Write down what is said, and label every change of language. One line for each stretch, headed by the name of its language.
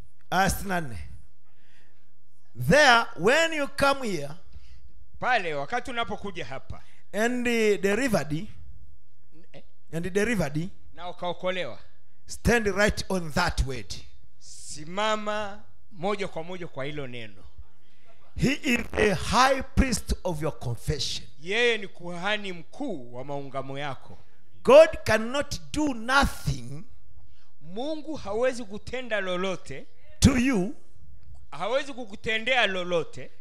English: Asinane. There, when you come here.
Swahili: Pale, wakati unapokuja hapa.
English: And derived. And derived.
Swahili: Na ukaokolewa.
English: Stand right on that word.
Swahili: Simama moja kwa moja kwa hilo neno.
English: He is a high priest of your confession.
Swahili: Yeye ni kuhani mkuu wa maungamo yako.
English: God cannot do nothing.
Swahili: Mungu hawezi kutenda lolote
English: to you.
Swahili: Hawezi kukutendea lolote